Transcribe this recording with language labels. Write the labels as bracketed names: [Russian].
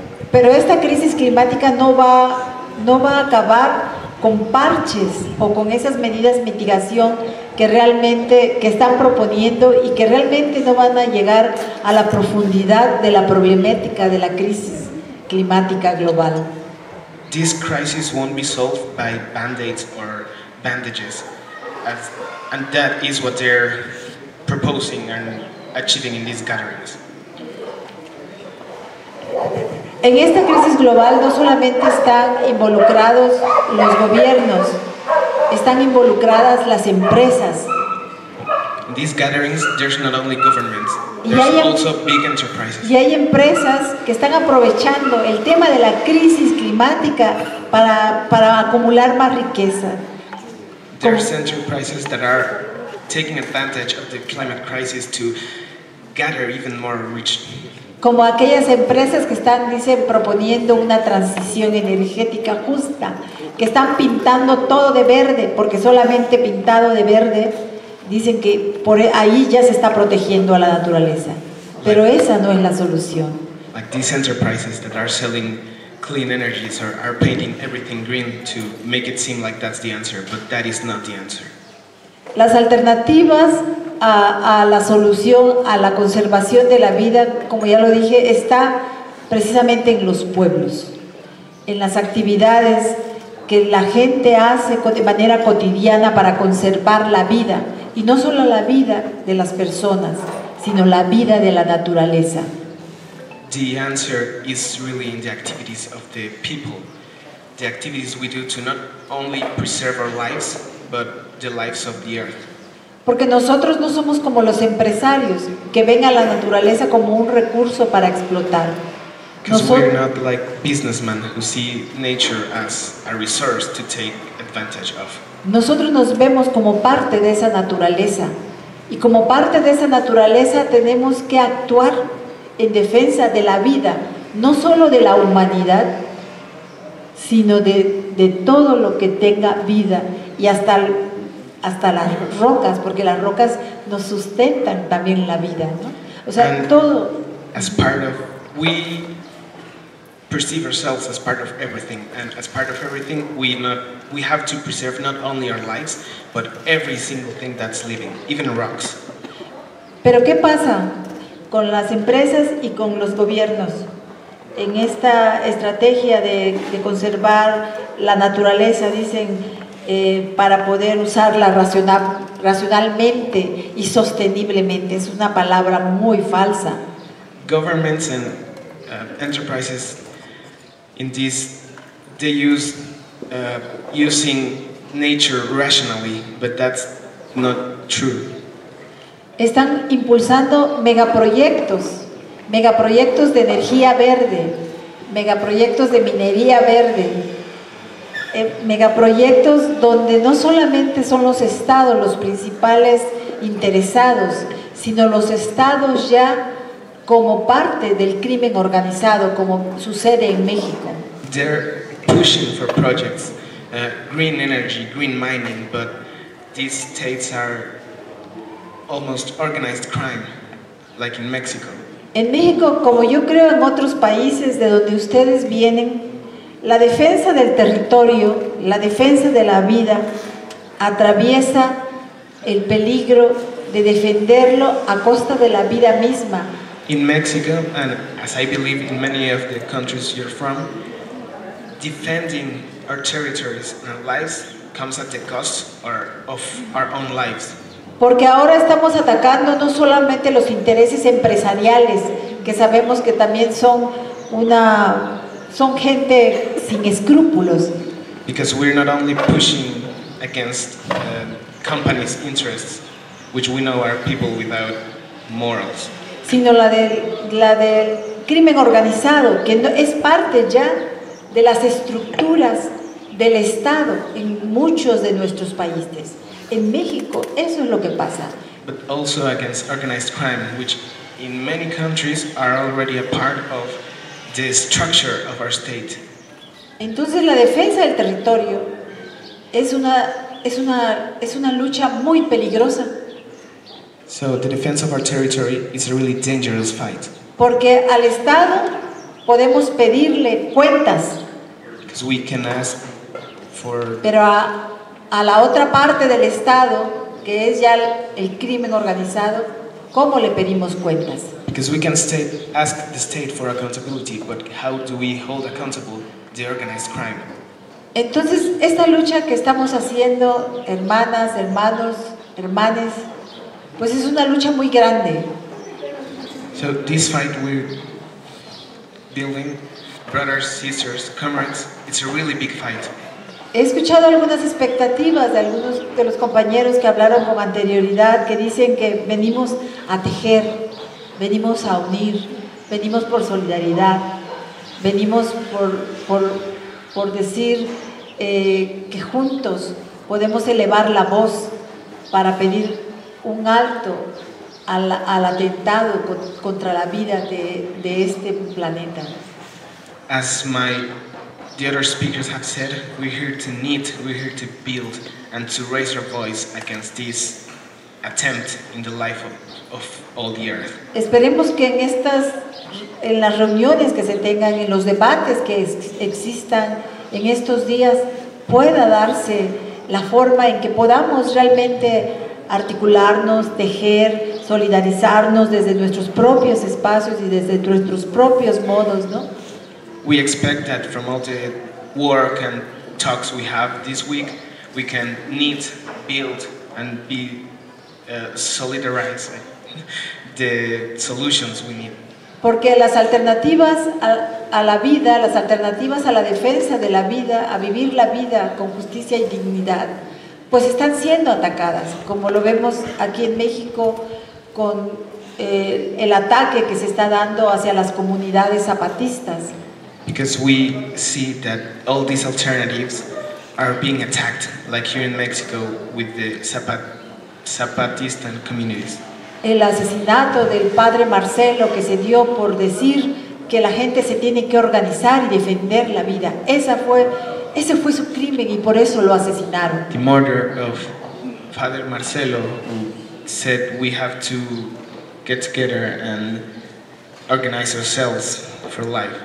[Spanish] Pero esta crisis climática no va a acabar con parches o con esas medidas de mitigación que están proponiendo y que realmente no van a llegar a la profundidad de la problemática de la crisis climática global. [English] This crisis won't be solved by band-aids or bandages, and that is what they're proposing and achieving in these gatherings. [Spanish] En esta crisis global no solamente están involucrados los gobiernos, están involucradas las empresas. [English] In these gatherings, there's not only governments, there's also big enterprises. [Spanish] Y hay empresas que están aprovechando el tema de la crisis climática para acumular más riqueza. [English] There's enterprises that are taking advantage of the climate crisis to gather even more riches. [Spanish] Como aquellas empresas que están, dicen, proponiendo una transición energética justa, que están pintando todo de verde, porque solamente pintado de verde, dicen que por ahí ya se está protegiendo a la naturaleza. Pero esa no es la solución. [English] Like these enterprises that are selling clean energies or are painting everything green to make it seem like that's the answer, but that is not the answer. [Spanish] Las alternativas a la solución, a la conservación de la vida, como ya lo dije, está precisamente en los pueblos, en las actividades que la gente hace de manera cotidiana para conservar la vida, y no solo la vida de las personas, sino la vida de la naturaleza. [English] The answer is really in the activities of the people, the activities we do to not only preserve our lives, but the lives of the earth. [Spanish] Porque nosotros no somos como los empresarios que ven a la naturaleza como un recurso para explotar. [English] We're not like businessmen who see nature as a resource to take advantage of. [Spanish] Nosotros nos vemos como parte de esa naturaleza. Y como parte de esa naturaleza tenemos que actuar en defensa de la vida, no solo de la humanidad, sino de todo lo que tenga vida, y hasta las rocas, porque las rocas nos sustentan también la vida, ¿no? O sea, [English] and [Spanish] todo. [English] As part of, we perceive ourselves as part of everything, and as part of everything, we have to preserve not only our lives, but every single thing that's living, even rocks. [Spanish] Pero ¿qué pasa con las empresas y con los gobiernos en esta estrategia de conservar la naturaleza? Dicen, para poder usarla racionalmente y sosteniblemente. Es una palabra muy falsa. [English] Governments and enterprises, in this, they use using nature rationally, but that's not true. [Spanish] Están impulsando megaproyectos de energía verde, megaproyectos de minería verde, megaproyectos donde no solamente son los estados los principales interesados, sino los estados ya como parte del crimen organizado, como sucede en México. [English] They're pushing for projects, green energy, green mining, but these states are almost organized crime, like in Mexico. [Spanish] En México, como yo creo en otros países de donde ustedes vienen, la defensa del territorio, la defensa de la vida, atraviesa el peligro de defenderlo a costa de la vida misma. [English] In Mexico, and as I believe in many of the countries you're from, defending our territories and our lives comes at the cost of our own lives. [Spanish] Porque ahora estamos atacando no solamente los intereses empresariales, que sabemos que también son gente sin escrúpulos. [English] Because we're not only pushing against companies' interests, which we know are people without morals. [Spanish] Sino la del crimen organizado, que no, es parte ya de las estructuras del Estado en muchos de nuestros países. En México, eso es lo que pasa. [English] But also against organized crime, which in many countries are already a part of the structure of our state. [Spanish] Entonces la defensa del territorio es una lucha muy peligrosa. [English] So the defense of our territory is a really dangerous fight. [Spanish] Porque al Estado podemos pedirle cuentas. [English] Because we can ask for. [Spanish] Pero a la otra parte del Estado, que es ya el crimen organizado, ¿cómo le pedimos cuentas? [English] Because we can ask the state for accountability, but how do we hold accountable the organized crime? [Spanish] Entonces, esta lucha que estamos haciendo, hermanas, hermanos, hermanes, pues es una lucha muy grande. [English] So this fight we're building, brothers, sisters, comrades, it's a really big fight. [Spanish] He escuchado algunas expectativas de algunos de los compañeros que hablaron con anterioridad, que dicen que venimos a tejer, venimos a unir, venimos por solidaridad, venimos por decir que juntos podemos elevar la voz para pedir un alto al atentado contra la vida de este planeta. [English] As my the other speakers have said, we're here to knit, we're here to build, and to raise our voice against this attempt in the life of all the earth. [Spanish] Esperemos que en las reuniones que se tengan, en los debates que existan en estos días, pueda darse la forma en que podamos realmente articularnos, tejer, solidarizarnos desde nuestros propios espacios y desde nuestros propios modos, ¿no? [English] We expect that from all the work and talks we have this week, we can knit, build, and be solidarized the solutions we need. [Spanish] Porque las alternativas a la vida, las alternativas a la defensa de la vida, a vivir la vida con justicia y dignidad, pues están siendo atacadas, como lo vemos aquí en México con el ataque que se está dando hacia las comunidades zapatistas. [English] Because we see that all these alternatives are being attacked, like here in Mexico with the Zapatista communities. [Spanish] el asesinato del padre Marcelo que se dio por decir que la gente se tiene que organizar y defender la vida. Ese fue su crimen y por eso lo asesinaron. [English] The murder of Father Marcelo said we have to get together and organize ourselves for life.